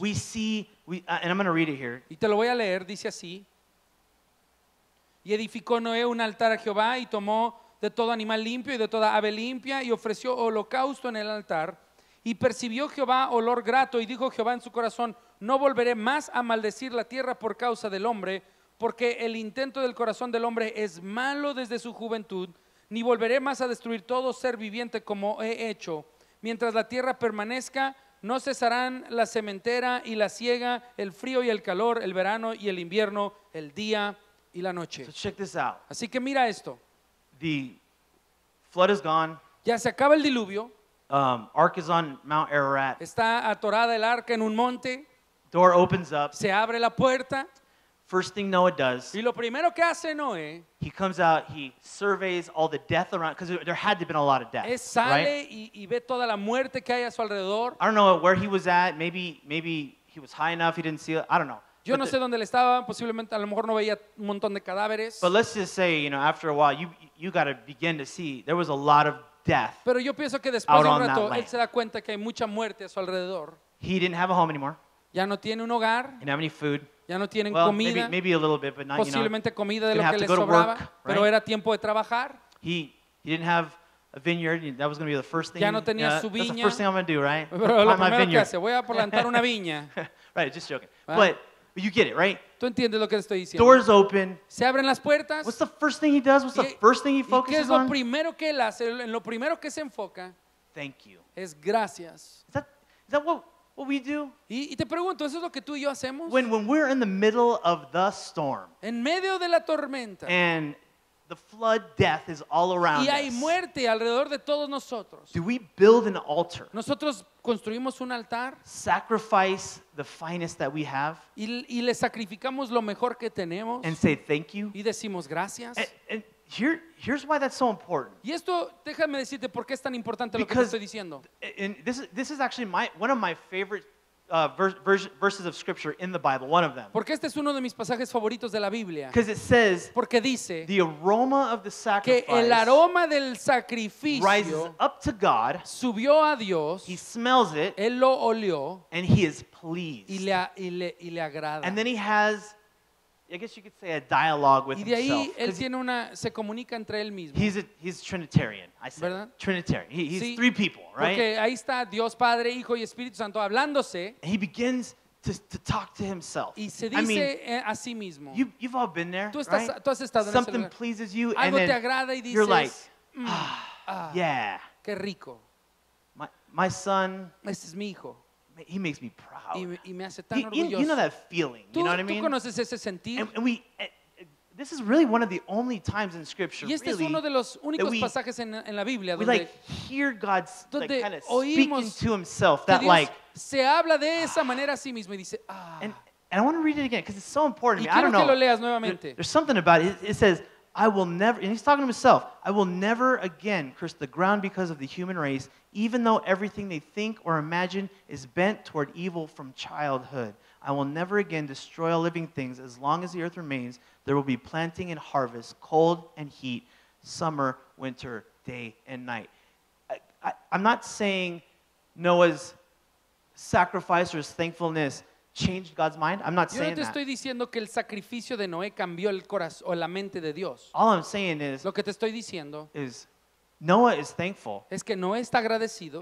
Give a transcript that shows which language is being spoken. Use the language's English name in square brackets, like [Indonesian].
[English] and I'm going to read it here. [Spanish] Y te lo voy a leer, dice así. Y edificó Noé un altar a Jehová y tomó de todo animal limpio y de toda ave limpia y ofreció holocausto en el altar. Y percibió Jehová olor grato, y dijo Jehová en su corazón: no volveré más a maldecir la tierra por causa del hombre, porque el intento del corazón del hombre es malo desde su juventud, ni volveré más a destruir todo ser viviente como he hecho. Mientras la tierra permanezca, no cesarán la sementera y la siega, el frío y el calor, el verano y el invierno, el día y la noche. [English] So check this out. [Spanish] Así que mira esto. [English] The flood is gone. [Spanish] Ya se acaba el diluvio. [English] Ark is on Mount Ararat. [Spanish] Está atorada el arca en un monte. [English] Door opens up. [Spanish] Se abre la puerta. [English] First thing Noah does. [Spanish] Y lo primero que hace Noé. [English] He comes out. He surveys all the death around, because there had to have been a lot of death. [Spanish] Es sale, [English] right? [Spanish] y ve toda la muerte que hay a su alrededor. [English] I don't know where he was at. Maybe he was high enough. He didn't see it. I don't know. [Spanish] Yo no sé dónde le estaba. Posiblemente a lo mejor no veía un montón de cadáveres. [English] But let's just say, you know, after a while, you got to begin to see there was a lot of death. [Spanish] Pero yo pienso que después de un rato él se da cuenta que hay mucha muerte a su alrededor. [English] He didn't have a home anymore. [Spanish] Ya no tiene un hogar. [English] He didn't have any food. [Spanish] Ya no tienen [English] well, [Spanish] comida. [English] Maybe a little bit, but not, [Spanish] posiblemente, [English] you know, [Spanish] comida de lo que les sobraba, [English] work, [Spanish] pero [English] right? [Spanish] Era tiempo de trabajar. [English] He didn't have a vineyard. That was going to be the first thing. [Spanish] Ya no tenía su viña. [English] That's the first thing I'm going to do, right? [Spanish] Voy a plantar una viña. [English] Right, just joking. But you get it, right? [Spanish] ¿Tú entiendes lo que estoy diciendo? [English] Doors open. [Spanish] Se abren las puertas. [English] What's the first thing he does? What's the first thing he focuses on? [Spanish] ¿Qué es lo primero que él hace? En lo primero que se enfoca. [English] Thank you. [Spanish] Es gracias. [English] Is that what we do? [Spanish] Y te pregunto, ¿eso es lo que tú y yo hacemos? [English] When we're in the middle of the storm. [Spanish] En medio de la tormenta. [English] And the flood, death is all around us. [Spanish] Y hay muerte alrededor de todos nosotros. [English] Do we build an altar? [Spanish] Nosotros construimos un altar. [English] Sacrifice the finest that we have. [Spanish] Y le sacrificamos lo mejor que tenemos. [English] And say thank you. [Spanish] Y decimos gracias. [English] And here's why that's so important. [Spanish] Y esto, déjame decirte por qué es tan importante lo que te estoy diciendo. [English] And this is actually one of my favorite verses of scripture in the Bible, one of them. [Spanish] Porque este es uno de mis pasajes favoritos de la Biblia. [English] Because it says, [Spanish] porque dice, [English] the aroma of the sacrifice, [Spanish] que el aroma del sacrificio [English] rises up to God, [Spanish] subió a Dios, [English] he smells it, [Spanish] él lo olió, [English] and he is pleased. [Spanish] Y le agrada. [English] And then he has, I guess you could say, a dialogue with [Spanish] y de ahí [English] himself. [Spanish] Él tiene una, se comunica entre él mismo. [English] He's Trinitarian, I said. [Spanish] ¿Verdad? [English] Trinitarian. He's sí. Three people, right? [Spanish] Porque ahí está Dios Padre, Hijo y Espíritu Santo hablándose. [English] And he begins to talk to himself. [Spanish] Y se dice, [English] I mean, [Spanish] a sí mismo. [English] You've all been there, [Spanish] tú estás, [English] right? [Spanish] Tú has estado [English] something [Spanish] en ese lugar. [English] Pleases you, [Spanish] algo [English] and then [Spanish] te agrada y dices, [English] you're like, yeah. [Spanish] Qué rico. [English] My son. [Spanish] Este es mi hijo. [English] He makes me proud. [Spanish] Y me hace tan orgulloso. [English] You know that feeling. You know what I mean? [Spanish] Tú conoces ese sentir. [English] This is really one of the only times in Scripture, [Spanish] y este [English] really, [Spanish] es uno de los únicos pasajes en la Biblia donde [English] we like hear God like, kind of speaking to himself. That like [Spanish] se habla de esa manera a sí mismo y dice, ah. [English] And I want to read it again because it's so important to me. [Spanish] Y quiero [English] I don't [Spanish] que [English] know. [Spanish] Lo leas nuevamente. [English] There's something about it. It says, I will never, and he's talking to himself, I will never again curse the ground because of the human race, even though everything they think or imagine is bent toward evil from childhood. I will never again destroy all living things. As long as the earth remains, there will be planting and harvest, cold and heat, summer, winter, day and night. I'm not saying Noah's sacrifice or his thankfulness changed God's mind. I'm not saying [Spanish] that. Yo no te estoy diciendo que el sacrificio de Noé cambió el corazón o la mente de Dios. [English] All I'm saying is, [Spanish] lo que te estoy diciendo [English] is, Noah is thankful. [Spanish] Es que Noé está agradecido.